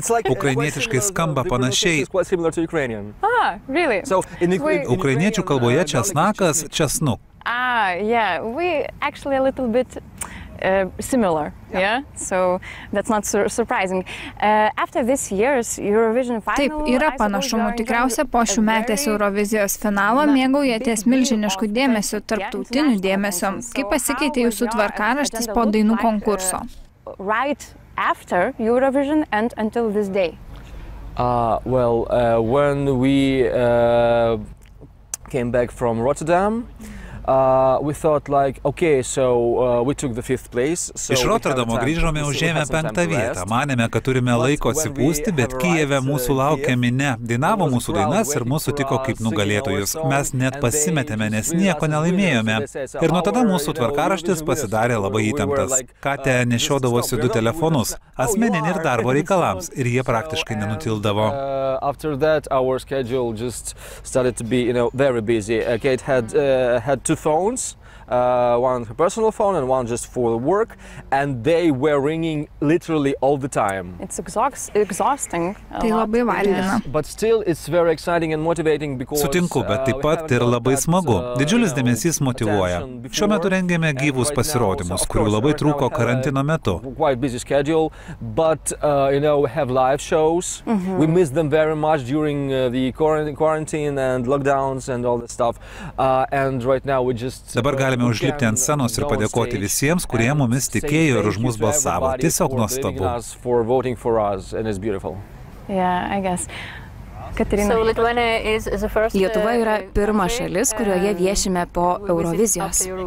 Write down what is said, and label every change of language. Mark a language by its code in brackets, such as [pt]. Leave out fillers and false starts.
[lt] Ukrainietiškai skamba panašiai. [en] Really? So, [lt] ukrainiečių kalboje česnakas česnuk. [en] We actually a little bit similar. Yeah. So that's not surprising. After this year's Eurovision final, [lt] taip, yra panašumų. Tikriausia, po šių metės Eurovizijos finalo mėgaujatės milžiniškų dėmesio, tarptautinių dėmesio. Kaip pasikeitė jūsų tvarkaraštis po dainų konkurso? [en] Right after Eurovision and until this day. When we came back from Rotterdam, we thought like, okay, so we took the 5th place. So [lt] iš Rotterdamo grįžome užėmę 5 vietą. Manėme, kad turime laiko atsipūsti, bet Kijeve mūsų laukė minia. Dainavo mūsų dainas ir mūsų tiko kaip nugalėtojus. Mes net pasimetėme, nes nieko nelaimėjome. Ir nuo tada mūsų tvarkaraštis pasidarė labai įtemptas. Katė nešiodavosi 2 telefonus, asmeninį ir darbo reikalams, ir jie praktiškai nenutildavo. [en] After that our schedule just started to be, you know, very busy. Kate had two phones, one personal phone and one just for the work, and they were ringing literally all the time. It's exhausting. [lt] Tai labai vargina. [en] But still it's very exciting and motivating because [lt] sutinku, bet taip pat ir labai smagu. Didžiulis dėmesys motyvuoja. Šiuo metu rengiame gyvus pasirodymus, kurių labai trūko karantino metu. [en] Quite busy schedule, but you know, have live shows. We miss them very much during the quarantine and lockdowns and all that stuff. And right now we just [lt] galime užlipti ant scenos ir padėkoti visiems, kurie mumis tikėjo ir už mus balsavo. Tiesiog nuostabu. Lietuva yra pirma šalis, kurioje viešime po Eurovizijos.